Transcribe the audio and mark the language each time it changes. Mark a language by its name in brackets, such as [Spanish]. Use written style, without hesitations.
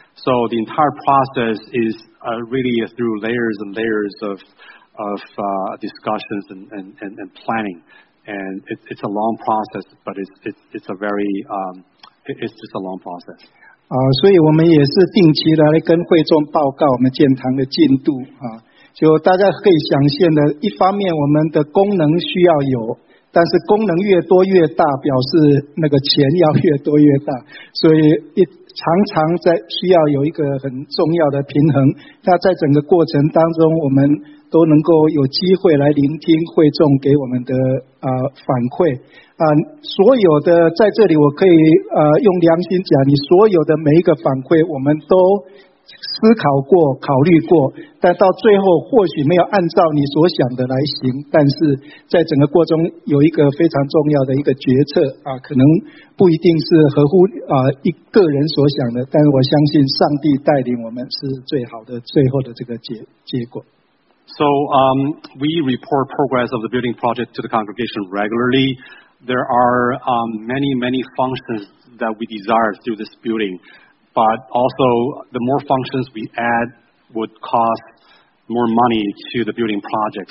[English] So the entire process is really through layers and layers of discussions and planning. And it's a long process, but it's a very, it's just a long process. [Chinese] 所以我们也是定期的来跟会众报告我们建堂的进度啊。就大家可以想象的，一方面我们的功能需要有，但是功能越多越大，表示那个钱要越多越大，所以常常在需要有一个很重要的平衡。那在整个过程当中，我们都能够有机会来聆听会众给我们的反馈啊。所有的在这里，我可以用良心讲，你所有的每一个反馈，我们都思考过、考虑过，但到最后或许没有按照你所想的来行。但是在整个过程中有一个非常重要的一个决策啊，可能不一定是合乎一个人所想的，但是我相信上帝带领我们是最好的最后的这个结果。 [English] So we report progress of the building project to the congregation regularly. There are many functions that we desire through this building. But also, the more functions we add would cost more money to the building project.